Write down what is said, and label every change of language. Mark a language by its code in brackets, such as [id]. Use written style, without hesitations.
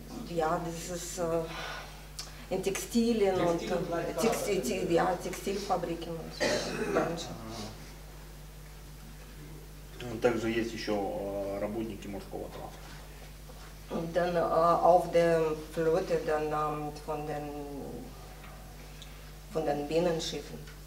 [de] Ja, das ist in Textilien und Textilfabriken und Branchen. [ru] Также есть еще работники морского транспорта. [de] Dann auf der Flotte dann von den Binnenschiffen.